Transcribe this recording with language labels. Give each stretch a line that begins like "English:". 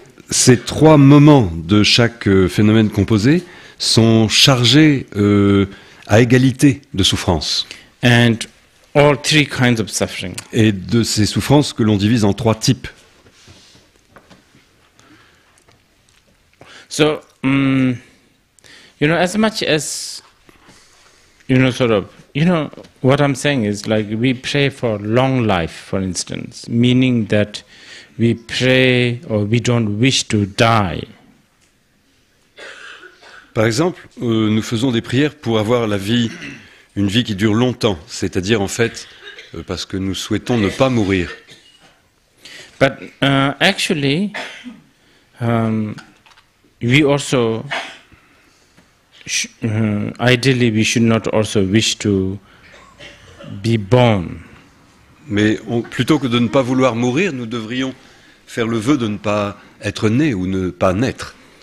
French: Ces trois moments de chaque phénomène composé sont chargés à égalité de souffrance.
English: And all three kinds of suffering.
French: Et de ces souffrances que l'on divise en trois types.
English: So, you know, as much as, you know, sort of, you know, what I'm saying is like we pray for long life, for instance, meaning that we pray or we don't wish to die.
French: Par exemple, nous faisons des prières pour avoir la vie, une vie qui dure longtemps, c'est-à-dire en fait parce que nous souhaitons ne pas mourir.
English: But actually, we also, ideally, we should not also wish to be born.
French: Mais plutôt que de ne pas vouloir mourir, nous devrions faire le vœu de ne pas être né ou ne pas naître.